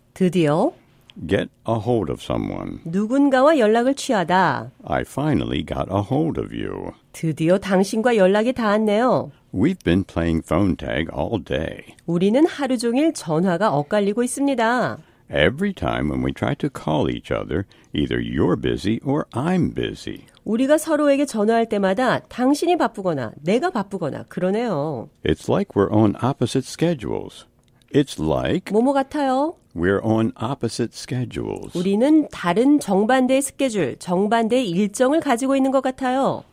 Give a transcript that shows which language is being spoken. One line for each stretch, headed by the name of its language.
Korean: 드디어.
English: Get a hold of someone.
Korean: 누군가와 연락을 취하다.
English: I finally got a hold of you.
Korean: 드디어 당신과 연락이 닿았네요.
English: We've been playing phone tag all day.
Korean: 우리는 하루 종일 전화가 엇갈리고 있습니다.
English: Every time when we try to call each other, either you're busy or I'm busy.
Korean: 우리가 서로에게 전화할 때마다 당신이 바쁘거나 내가 바쁘거나 그러네요.
English: It's like we're on opposite schedules. It's like
Korean: 뭐뭐 같아요.
English: We're on opposite schedules.
Korean: 우리는 다른 정반대의 스케줄, 정반대의 일정을 가지고 있는 것 같아요.